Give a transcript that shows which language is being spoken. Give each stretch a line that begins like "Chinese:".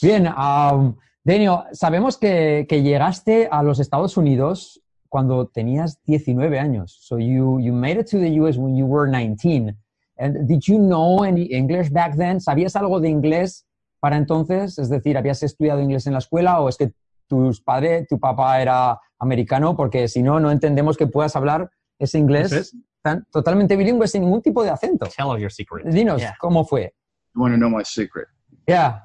Spanish: Bien, Daniel, sabemos que llegaste a los Estados Unidos cuando tenías 19 años.
English: So you made it to the US when you were 19. And did you know any English back then?
Spanish: ¿Sabías algo de inglés para entonces? Es decir, ¿habías estudiado inglés en la escuela o es que tu papá era americano? Porque si no, no entendemos que puedas hablar ese inglés totalmente bilingüe sin ningún tipo de acento.
English: Tell us your secret.
Spanish: Dinos, ¿cómo fue?
English: You want to know my secret. Yeah.